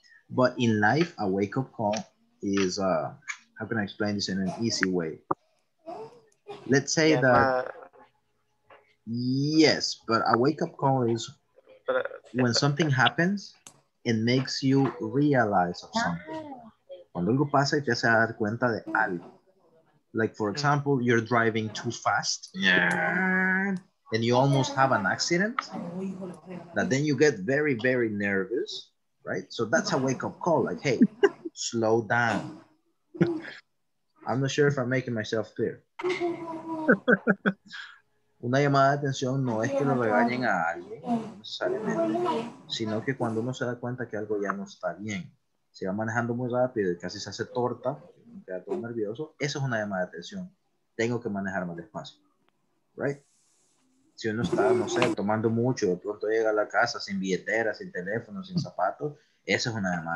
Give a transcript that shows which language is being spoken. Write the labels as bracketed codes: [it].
[en] But in life, a wake-up call is, how can I explain this in an easy way? Let's say yes, but a wake-up call is when something happens and makes you realize of something. [es] Cuando algo pasa, ya se da cuenta de algo. [en] Like, for example, you're driving too fast. Yeah. And you almost have an accident, that then you get very, very nervous, right? So that's a wake-up call, like, hey, slow down. I'm not sure if I'm making myself clear. [es] Una llamada de atención no es que lo regañen a alguien, sino que cuando uno se da cuenta que algo ya no está bien, se va manejando muy rápido y casi se hace torta, queda todo nervioso, eso es una llamada de atención. Tengo que manejar más despacio, right? Si uno está, no sé, tomando mucho, de pronto llega a la casa sin billetera, sin teléfono, sin zapatos, esa es una llamada.